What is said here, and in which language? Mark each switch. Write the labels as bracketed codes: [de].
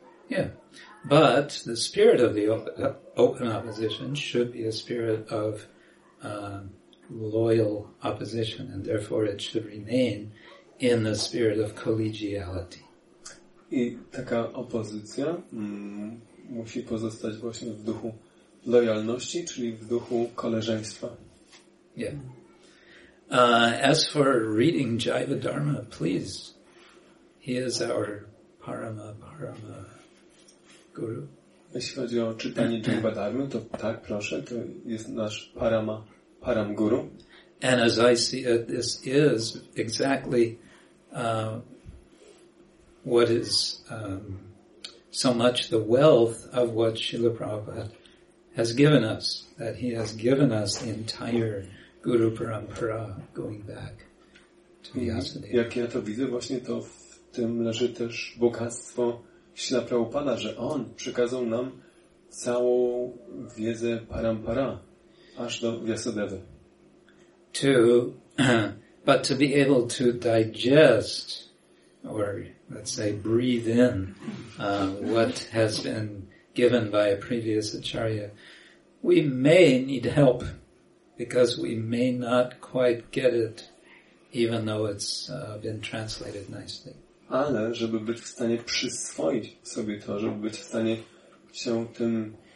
[en] Yeah, but the spirit of the open opposition should be a spirit of loyal opposition, and therefore it should remain in the spirit of collegiality. [pl] I taka opozycja musi pozostać właśnie w duchu lojalności, czyli w duchu koleżeństwa. [en] Yeah. As for reading Jiva Dharma, please, he is our Parama Parama Guru. [pl] Jeśli chodzi o czytanie Jiva Dharma, to tak, proszę, to jest nasz Parama Param Guru. [en] And as I see it, this is exactly what is so much the wealth of what Srila Prabhupada has given us, that he has given us the entire Guru Parampara going back to Vyasadeva. [pl] Jak ja to widzę, właśnie to w tym leży też bogactwo Srila Prabhupada, że on przekazał nam całą wiedzę Parampara aż do Vyasadevy. [en] To, but to be able to digest or let's say breathe in what has been given by a previous acharya, we may need help because we may not quite get it even though it's been translated nicely. [pl] Ale żeby być w stanie przyswoić sobie to, żeby być w stanie się tym